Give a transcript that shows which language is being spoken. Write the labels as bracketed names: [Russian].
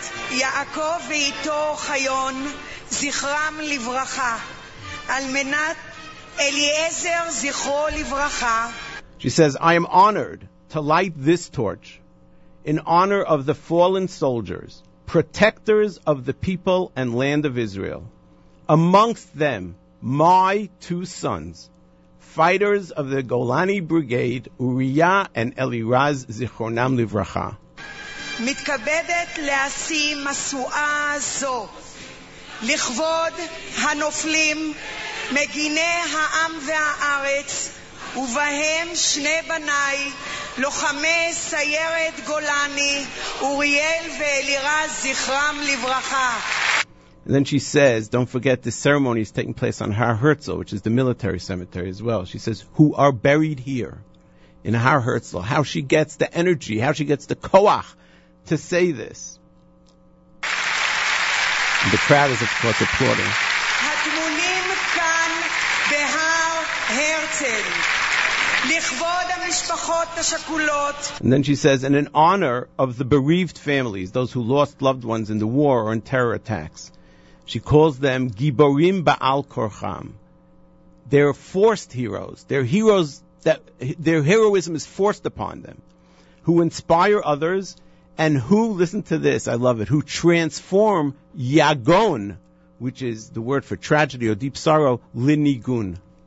[Hebrew] יעקב ואיתו חיון זכרם לברכה על מנת אליעזר זכרו לברכה. [English] She says, "I am honored to light this torch in honor of the fallen soldiers, protectors of the people and land of Israel. Amongst them, my two sons, fighters of the Golani Brigade, Uriah and Elirez zichronam livracha." [Hebrew] מתכבדת להשים משואה זו לכבוד הנופלים, מגיני העם והארץ, ובהם שני בניי, לוחמי סיירת גולני, אוריאל ואלירז, זכרם לברכה. [English] And then she says, don't forget the ceremony is taking place on Har Herzl, which is the military cemetery as well. She says, who are buried here in Har Herzl. How she gets the energy, how she gets the koach to say this. And the crowd is, of course, applauding. [Hebrew] הטמונים כאן בהר הרצל לכבוד המשפחות השכולות. [English] And then she says, and in honor of the bereaved families, those who lost loved ones in the war or in terror attacks, she calls them [Hebrew] גיבורים בעל כורחם. [English] They're forced heroes. They're heroes that their heroism is forced upon them, who inspire others, and who, listen to this, I love it, who transform yagon, which is the word for tragedy or deep sorrow, linigun.